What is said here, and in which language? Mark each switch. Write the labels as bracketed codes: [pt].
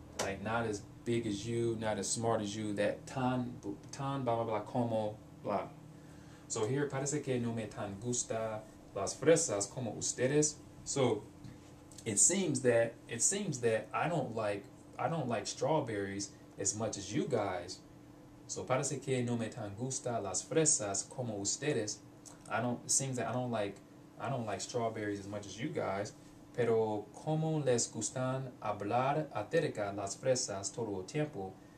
[en] Like not as big as you, not as smart as you. That tan, blah, blah, blah, como, blah. So here, [es] parece que no me tan gusta las fresas como ustedes. [en] So it seems that I don't like strawberries as much as you guys. So [es] parece que no me tan gusta las fresas como ustedes. [en] It seems that I don't like strawberries as much as you guys. [es] Pero como les gustan hablar acerca las fresas todo el tiempo.